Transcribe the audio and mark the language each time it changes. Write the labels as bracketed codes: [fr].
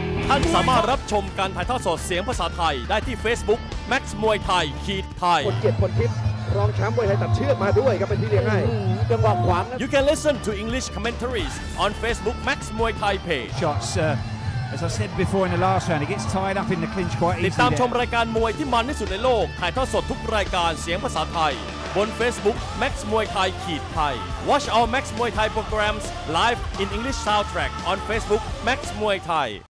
[th] ท่านสามารถรับชมการถ่ายทอดสดเสียงภาษาไทยได้ที่ Facebook Max มวยไทยขีดไทย คนเกียรติคนทิพย์รองแชมป์มวยไทยตัดเชือกมาด้วยครับเป็นที่เรียกง่าย จังหวะขวาง [en] You can listen to English commentaries on Facebook Max มวยไทย page shots As I said before in the last round, he gets tied up in the clinch quite easily. [th] ติดตามชมรายการมวยที่มันที่สุดในโลกถ่ายทอดสดทุกรายการเสียงภาษาไทยบน Facebook Max Muay Thai Khit Thai. [en] Watch all Max Muay Thai programs live in English soundtrack on Facebook Max Muay Thai.